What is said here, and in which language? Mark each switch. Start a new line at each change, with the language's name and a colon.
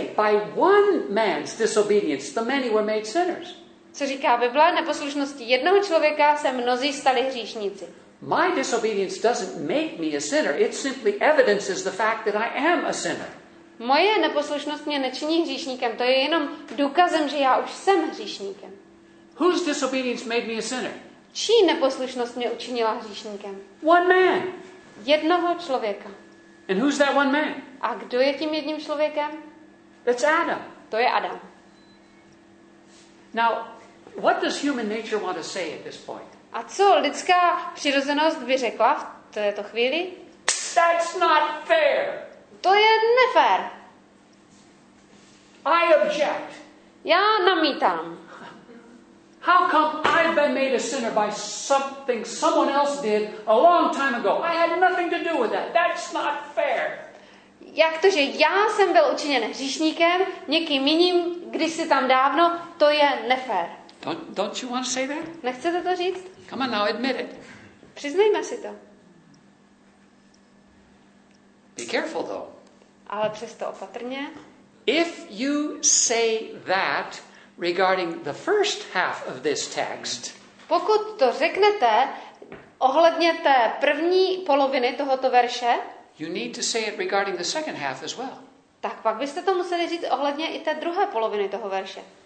English: By one man's disobedience, the many were made sinners.
Czech: Co říká Bible? Neposlušností jednoho člověka se mnozí stali hříšníci.
English: My disobedience doesn't make me a sinner. It simply evidences the fact that I am a sinner.
Czech: Moje neposlušnost mě nečiní hříšníkem. To je jenom důkazem, že já už jsem hříšníkem.
English: Whose disobedience made me a sinner?
Czech: Čí neposlušnost mě učinila hříšníkem?
English: One man.
Czech: Jednoho člověka.
English: And who's that one man?
Czech: A kdo je tím jedním člověkem?
English: That's Adam.
Czech: To je Adam.
English: Now, what does human nature want to say at this point?
Czech: A co lidská přirozenost by řekla v této chvíli?
English: That's not fair.
Czech: To je nefér.
English: I object.
Czech: Já namítám.
English: How come I've been made a sinner by something someone else did a long time ago? I had nothing to do with that. That's not fair.
Czech: Jak to, že já jsem byl učiněn hříšníkem někým jiným, kdysi tam dávno, to je nefér.
English: Don't you want to say that?
Czech: Nechcete to říct?
English: Come on now, admit it.
Czech: Přiznejme si to.
English: Be careful though.
Czech: Ale přesto opatrně.
English: If you say that regarding the first half of this text.
Czech: Pokud to řeknete ohledně té první poloviny tohoto verše,
English: you need to say it regarding the second half as well.
Czech: Tak pak byste to museli říct ohledně i té druhé poloviny toho verše.